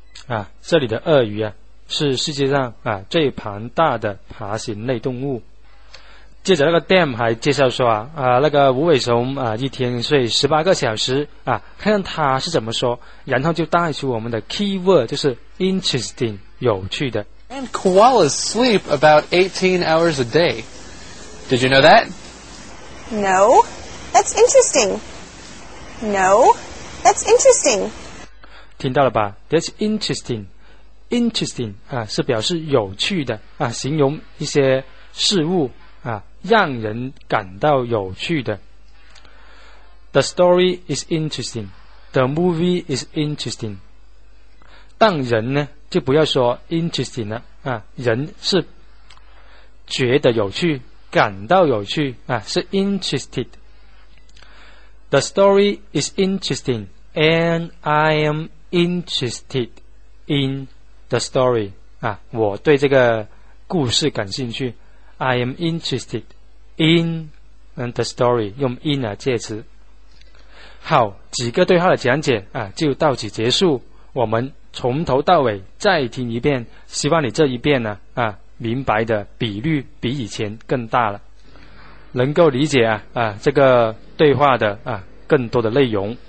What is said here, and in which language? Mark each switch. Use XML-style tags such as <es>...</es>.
<zh>啊，这里的鳄鱼啊，是世界上啊最庞大的爬行类动物。接着那个 Dam 还介绍说啊那个无尾熊啊一天睡18个小时啊，看他是怎么说，然后就带出我们的 keyword 就是 interesting 有趣的。</zh> <en>And koalas sleep about 18 hours a day. Did you know that? No, that's interesting. No, that's interesting.</en> <zh>听到了吧 ？</zh> <en>That's interesting.</en> <zh>Interesting 啊是表示有趣的啊，形容一些事物。啊，让人感到有趣的。</zh> <en>The story is interesting. The movie is interesting.</en> <zh>但人呢，就不要说 interesting 了啊，人是觉得有趣，感到有趣啊，是 interested.</zh> <en>The story is interesting, and I am interested in the story.</en> <zh>啊，我对这个故事感兴趣。</zh> <en>I am interested in the story.</en> <zh>用 in 啊介词。好，几个对话的讲解啊，就到此结束。我们从头到尾再听一遍，希望你这一遍呢啊，明白的比率比以前更大了，能够理解啊这个对话的啊更多的内容。</zh>